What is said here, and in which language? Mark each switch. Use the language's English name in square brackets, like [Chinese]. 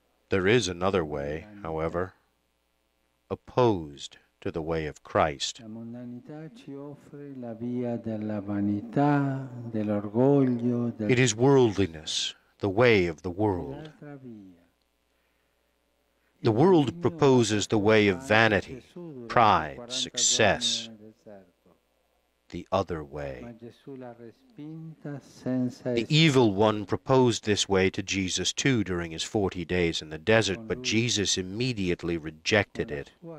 [English] There is another way, however, opposed to the way of Christ. [Italian] La mondanità ci offre la via della vanità, dell'orgoglio, del... [English] It is worldliness, the way of the world. The world proposes the way of vanity, pride, success, the other way. The evil one proposed this way to Jesus too during his 40 days in the desert, but Jesus immediately rejected it.